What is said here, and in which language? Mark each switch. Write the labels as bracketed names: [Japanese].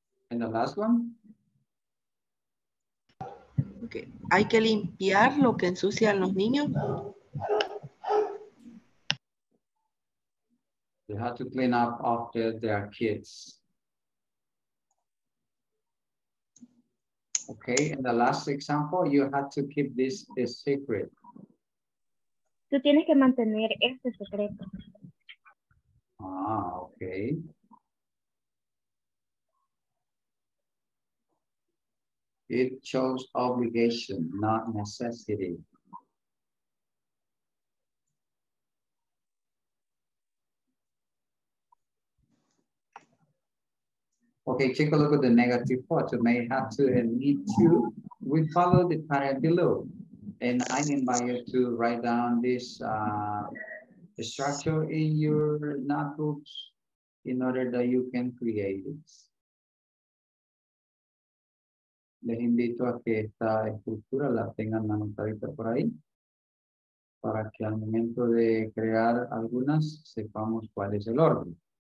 [English] And the last one. Okay. [Spanish] Hay que limpiar lo que ensucian los niños. [English] They have to clean up after their kids. Okay, and the last example, you have to keep this a secret. [Spanish] Tú tienes que mantener este secreto. Ah, okay. [English] It shows obligation, not necessity. Okay, take a look at the negative part. You may have to and need to. We follow the pattern below. And I invite you to write down this structure in your notebooks in order that you can create it. [Spanish] Les invito a que esta estructura la tengan anotadita por ahí para que al momento de crear algunas sepamos cuál es el orden.